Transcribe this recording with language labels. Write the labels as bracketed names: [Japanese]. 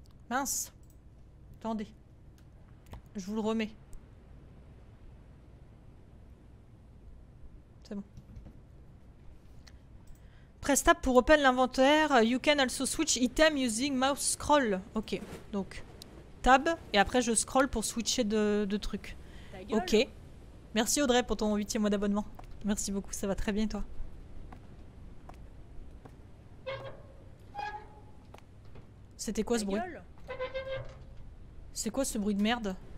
[French] Mince. Attendez. Je vous le remets. C'est bon. [English] Press tab [French] pour [English] open [French] l'inventaire. [English] You can also switch item using mouse scroll. [French] Ok. Donc, tab. Et après, je scroll pour switcher de trucs. Ok. Merci Audrey pour ton 8e mois d'abonnement. Merci beaucoup. Ça va très bien, toi. C'était quoi ce bruit? C'est quoi ce bruit de merde?